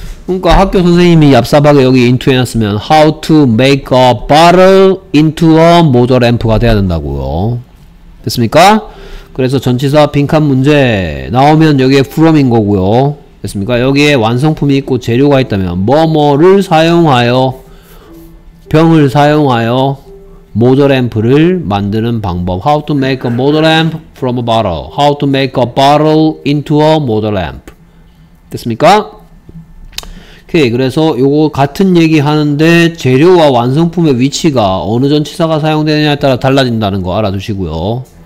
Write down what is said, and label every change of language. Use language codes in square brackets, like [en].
[ko] 그러니까 학교 선생님이 얍삽하게 여기 into 해놨으면 [en] how to make a bottle into a motor amp [ko] 가 돼야 된다고요. 됐습니까? 그래서 전치사 빈칸 문제 나오면 여기에 from인 거고요. 됐습니까? 여기에 완성품이 있고 재료가 있다면 뭐뭐를 사용하여 병을 사용하여 motor amp를 만드는 방법. [en] How to make a motor amp from a bottle. How to make a bottle into a motor amp. [ko] 됐습니까? 오케이. 그래서 요거 같은 얘기 하는데 재료와 완성품의 위치가 어느 전치사가 사용되느냐에 따라 달라진다는 거 알아두시고요.